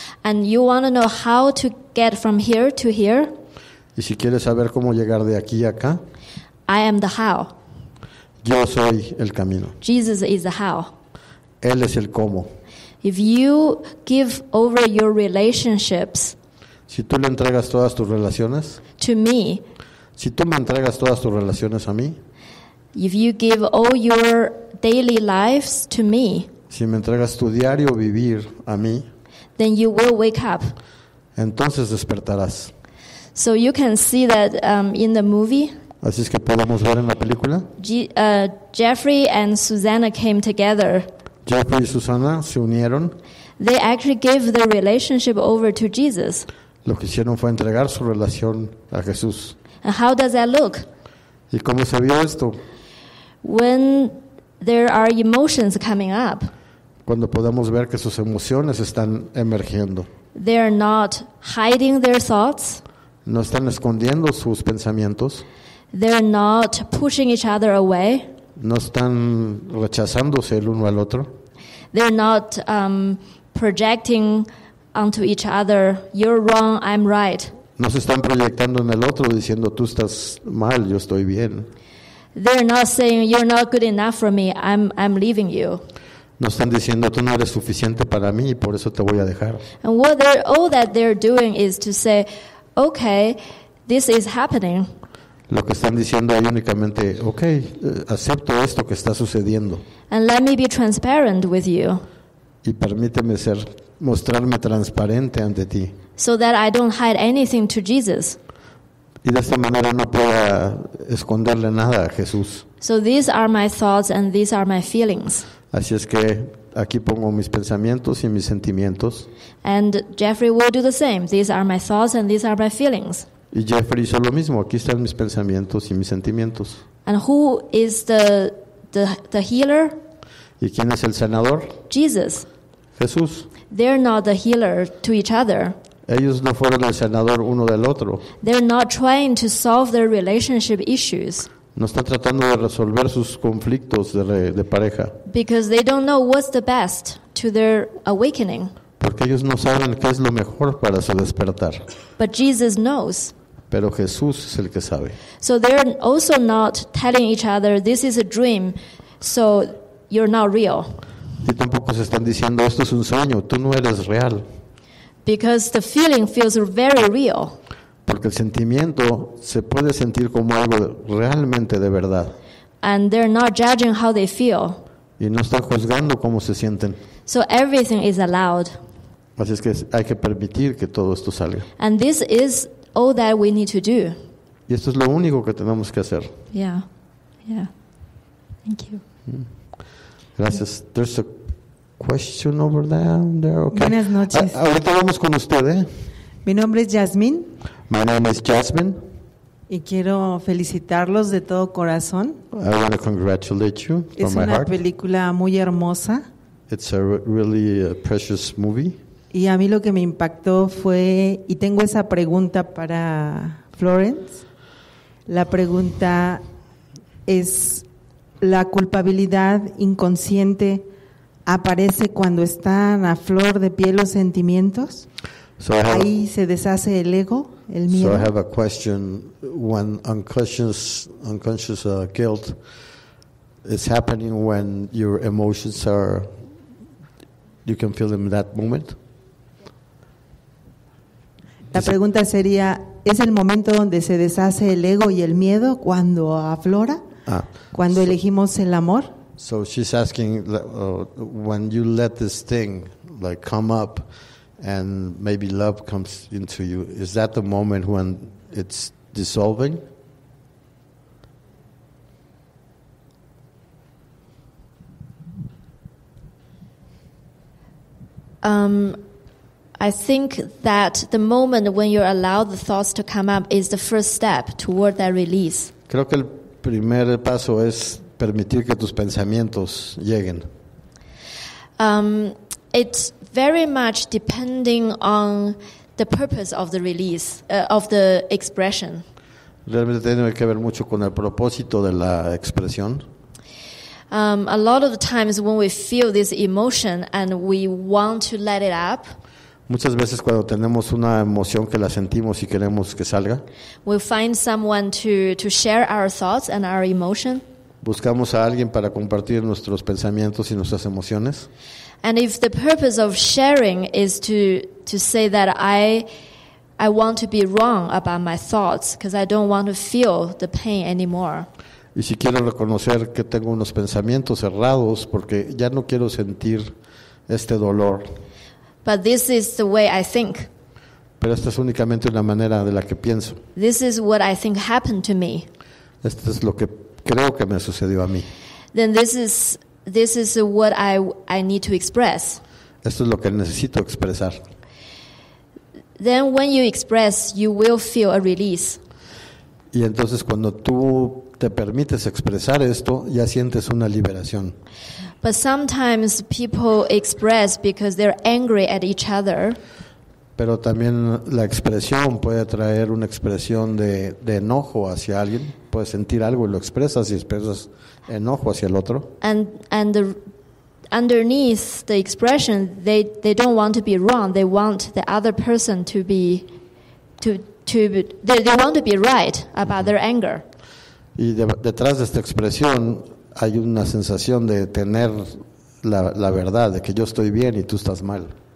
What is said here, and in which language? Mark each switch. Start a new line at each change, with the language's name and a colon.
English: And you want to know how to get from here to here?
Spanish: Y si quieres saber cómo llegar de aquí a acá,
English: I am the how.
Spanish: Yo soy el camino.
English: Jesus is the how.
Spanish: Él es el cómo.
English: If you give over your relationships,
Spanish: si tú le entregas todas tus relaciones,
English: to me,
Spanish: si tú me entregas todas tus relaciones a mí,
English: if you give all your daily lives to me,
Spanish: si me entregas tu diario vivir a mí,
English: then you will wake up.
Spanish: Entonces despertarás.
English: So you can see that in the movie.
Spanish: Así es que podemos ver en la película.
English: Jeffrey and Susanna came together.
Spanish: Jeffrey y Susanna se unieron.
English: They actually gave the relationship over to Jesus.
Spanish: Lo que hicieron fue entregar su relación a Jesús.
English: And how does that look?
Spanish: ¿Y cómo se vio esto?
English: When there are emotions coming up,
Spanish: cuando podemos ver que sus emociones están emergiendo,
English: they are not hiding their thoughts,
Spanish: no están escondiendo sus pensamientos,
English: they are not pushing each other away,
Spanish: no están rechazándose el uno al otro,
English: they are not projecting onto each other, you're wrong, I'm right.
Spanish: No se están proyectando en el otro diciendo tú estás mal, yo estoy bien.
English: They're not saying you're not good enough for me, I'm leaving you.
Spanish: No están diciendo tú no eres suficiente para mí y por eso te voy a dejar.
English: And what they're all that they're doing is to say, okay, this is happening.
Spanish: Lo que están diciendo ahí únicamente, okay, acepto esto que está sucediendo.
English: And let me be transparent with you.
Spanish: Y permíteme ser, mostrarme transparente ante ti.
English: So that I don't hide anything to Jesus.
Spanish: Y de esta manera no pueda esconderle nada a Jesús.
English: So these are my thoughts and these are my feelings.
Spanish: Así es que aquí pongo mis pensamientos y mis sentimientos.
English: And Jeffrey will do the same. These are my thoughts and these are my feelings.
Spanish: Y Jeffrey hizo lo mismo. Aquí están mis pensamientos y mis sentimientos.
English: And who is the healer?
Spanish: ¿Y quién es el sanador?
English: Jesus.
Spanish: Jesús.
English: They're not the healer to each other.
Spanish: Ellos no fueron el sanador uno del otro.
English: They're not trying to solve their relationship issues.
Spanish: No están tratando de resolver sus conflictos de pareja.
English: Because they don't know what's the best to their awakening.
Spanish: Porque ellos no saben qué es lo mejor para su despertar.
English: But Jesus knows.
Spanish: Pero Jesús es el que sabe.
English: So they're also not telling each other this is a dream, so you're not real.
Spanish: Y tampoco se están diciendo esto es un sueño, tú no eres real.
English: Because the feeling feels very real.
Spanish: Porque el sentimiento se puede sentir como algo realmente de verdad.
English: And they're not judging how they feel.
Spanish: Y no están juzgando cómo se sienten.
English: So everything is allowed.
Spanish: Así es que hay que permitir que todo esto salga.
English: And this is all that we need to do.
Spanish: Y esto es lo único que tenemos que hacer.
English: Yeah. Yeah. Thank you. Gracias. There's a question over there. Okay.
Spanish: Buenas noches. Ahorita vamos con usted, ¿eh? Mi nombre es Jasmine.
English: My name is Jasmine.
Spanish: Y quiero felicitarlos de todo corazón.
English: I want to congratulate you from
Spanish: es
English: my heart.
Spanish: Es una película muy hermosa.
English: It's a really precious movie.
Spanish: Y a mí lo que me impactó fue, y tengo esa pregunta para Florence. La pregunta es, ¿la culpabilidad inconsciente aparece cuando están a flor de piel los sentimientos?
English: So
Spanish: ahí se deshace el ego, el miedo.
English: So I have a question. When unconscious guilt is happening, when your emotions are, you can feel them in that moment?
Spanish: La pregunta sería, ¿es el momento donde se deshace el ego y el miedo cuando aflora? Ah, cuando elegimos el amor.
English: So she's asking, when you let this thing like come up and maybe love comes into you, is that the moment when it's dissolving? I think that the moment when you allow the thoughts to come up is the first step toward that release.
Spanish: Creo que el primer paso es permitir que tus pensamientos lleguen.
English: It's very much depending on the purpose of the release, of the expression.
Spanish: Realmente tiene que ver mucho con el propósito de la expresión.
English: A lot of the times when we feel this emotion and we want to let it up,
Spanish: muchas veces cuando tenemos una emoción que la sentimos y queremos que salga,
English: we'll find someone to share our thoughts and our emotion.
Spanish: Buscamos a alguien para compartir nuestros pensamientos y nuestras emociones.
English: And if the purpose of sharing is to say that I want to be wrong about my thoughts because I don't want to feel the pain anymore.
Spanish: Y si quiero reconocer que tengo unos pensamientos errados porque ya no quiero sentir este dolor.
English: But this is the way I think.
Spanish: Pero esta es únicamente una manera de la que pienso.
English: This is what I think happened to me.
Spanish: Esto es lo que creo que me sucedió a mí.
English: Then this is what I need to express.
Spanish: Esto es lo que necesito expresar.
English: Then when you express, you will feel a release.
Spanish: Y entonces cuando tú te permites expresar esto, ya sientes una liberación.
English: But sometimes people express because they're angry at each other.
Spanish: Pero también la expresión puede traer una expresión de enojo hacia alguien. Puedes sentir algo y lo expresas y expresas enojo hacia el otro.
English: And the, underneath the expression, they don't want to be wrong. They want the other person to be want to be right about their anger.
Spanish: Y detrás de esta expresión hay una sensación de tener la verdad, de que yo estoy bien y tú estás mal.